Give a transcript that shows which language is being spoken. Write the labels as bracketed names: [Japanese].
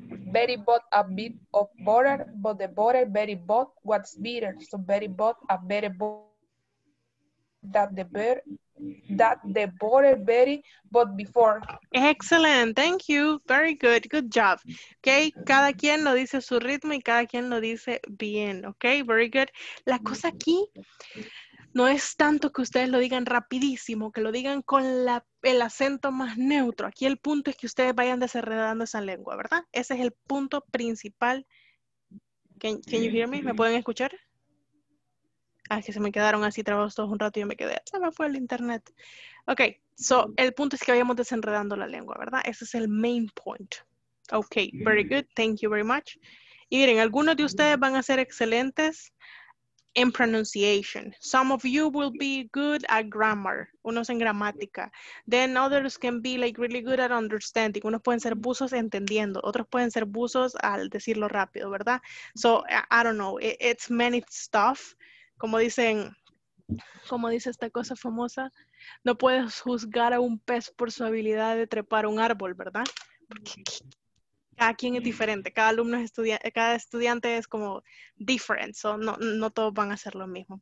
[English] Betty bought a bit of butter, but the butter Betty bought was bitter. So Betty bought a better butter that the butter Betty bought before. Excellent, thank you, very good, good job. [Spanish] Okay, cada quien lo dice a su ritmo y cada quien lo dice bien. [English] Okay, very good. [Spanish] La cosa aquí, no es tanto que ustedes lo digan rapidísimo, que lo digan con el acento más neutro. Aquí el punto es que ustedes vayan desenredando esa lengua, ¿verdad? Ese es el punto principal. [English] Can you hear me? [Spanish] ¿Me pueden escuchar? Ah, que se me quedaron así trabados todos un rato y yo me quedé. Se me fue el internet. Ok, so el punto es que vayamos desenredando la lengua, ¿verdad? Ese es el [English] main point. Ok, very good. Thank you very much. [Spanish] Y miren, algunos de ustedes van a ser excelentes en pronunciation. [English] Some of you will be good at grammar. [Spanish] Unos en gramática. [English] Then others can be like really good at understanding. [Spanish] Unos pueden ser buzos entendiendo. Otros pueden ser buzos al decirlo rápido, ¿verdad? [English] So, I don't know. It's many stuff. [Spanish] Como dice esta cosa famosa, no puedes juzgar a un pez por su habilidad de trepar un árbol, ¿verdad? Porque cada quien es diferente, cada alumno es estudiante, cada estudiante es como different, so no todos van a hacer lo mismo.